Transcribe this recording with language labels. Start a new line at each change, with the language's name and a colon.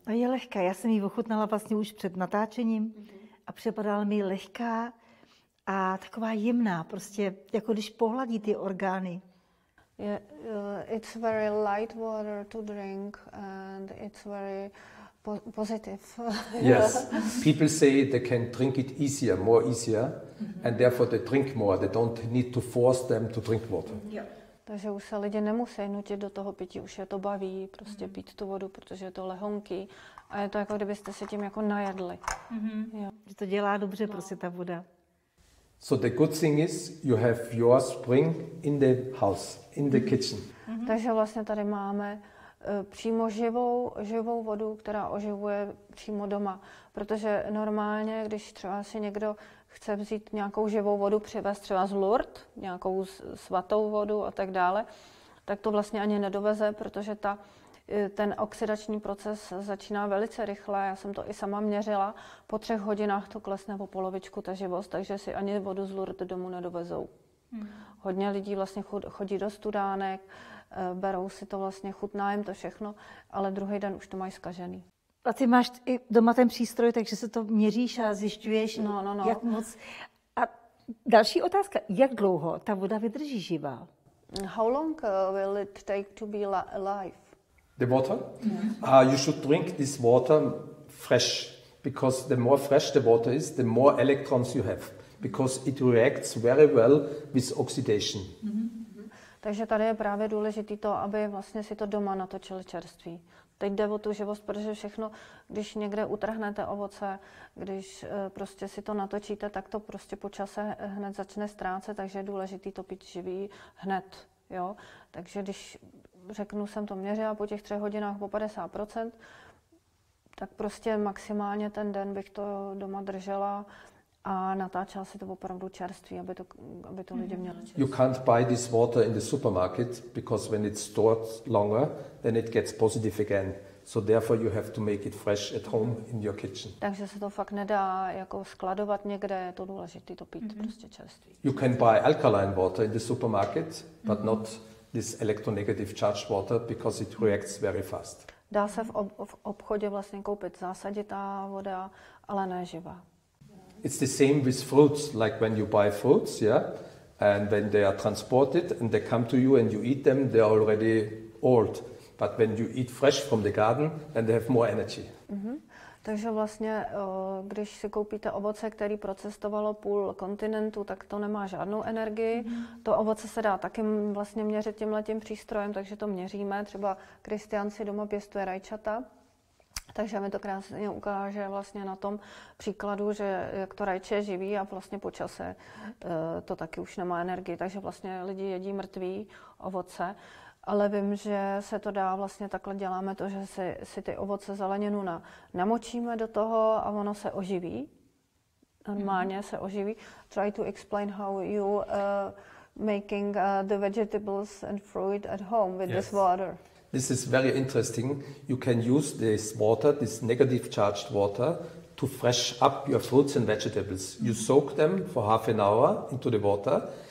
Czech: A je lehká, já jsem ji ochutnala vlastně už před natáčením. A připadala mi lehká a taková jemná, prostě jako když pohladí ty orgány.
English: Yeah, it's very light water to drink and it's very positive. Yes, people say they can drink it easier, more easier, and therefore they drink more. They don't need to force them to drink water.
Czech: Takže už se lidi nemusí nutit do toho pití, už je to baví prostě pít tu vodu, protože je to lehonký. A je to jako kdybyste se tím jako najedli. Že to dělá dobře prostě ta voda.
English: So the good thing is you have your spring in the house, in the kitchen.
Czech: Takže vlastně tady máme přímo živou vodu, která oživuje přímo doma. Protože normálně, když třeba si někdo chce vzít nějakou živou vodu, přivést třeba z Lourdes, nějakou svatou vodu a tak dále, tak to vlastně ani nedoveze, protože ten oxidační proces začíná velice rychle. Já jsem to i sama měřila. Po 3 hodinách to klesne o polovičku ta živost, takže si ani vodu z Lourdes domů nedovezou. Hodně lidí vlastně chodí do studánek, berou si to vlastně, chutná jim to všechno, ale druhý den už to mají zkažený. A ty máš i doma ten přístroj, takže se to měříš a zjišťuješ, no. Jak moc. A další otázka, jak dlouho ta voda vydrží živá?
English: How long will it take to be alive? The water? You should drink this water fresh, because the more fresh the water is, the more electrons you have, because it reacts very well with oxidation.
Czech: Takže tady je právě důležitý to, aby vlastně si to doma natočili čerství. Teď jde o tu živost, protože všechno, když někde utrhnete ovoce, když prostě si to natočíte, tak to prostě po čase hned začne ztrácet, takže je důležitý to pít živý hned. Jo? Takže když řeknu, jsem to měřila po těch 3 hodinách po 50%, tak prostě maximálně ten den bych to doma držela a natáčela si to opravdu čerství, aby to lidi měli čerství.
English: You can't buy this water in the supermarket because when it's stored longer, then it gets positive again. So therefore you have to make it fresh at home in your kitchen.
Czech: Takže se to fakt nedá jako skladovat někde, je to důležité to pít prostě čerství.
English: You can buy alkaline water in the supermarket, but not this electronegative charged water because it reacts very fast.
Czech: Dá se v obchodě vlastně koupit zásaditá voda, ale ne živá.
English: It's the same with fruits, like when you buy fruits, and when they are transported and they come to you and you eat them, they're already old. But when you eat fresh from the garden, then they have more energy.
Czech: Takže vlastně, když si koupíte ovoce, které procestovalo půl kontinentu, tak to nemá žádnou energii. To ovoce se dá taky vlastně měřit tímhletím přístrojem, takže to měříme. Třeba Kristian si doma pěstuje rajčata. Takže mi to krásně ukáže vlastně na tom příkladu, že jak to rajče živí a vlastně po čase to taky už nemá energii. Takže vlastně lidi jedí mrtvý ovoce. Ale vím, že se to dá, vlastně takhle děláme to, že si ty ovoce, zeleninu namočíme do toho a ono se oživí. Normálně se oživí.
English: Try to explain how you making the vegetables and fruit at home with this water. This is very interesting. You can use this water, this negative charged water, to fresh up your fruits and vegetables. You soak them for half an hour into the water.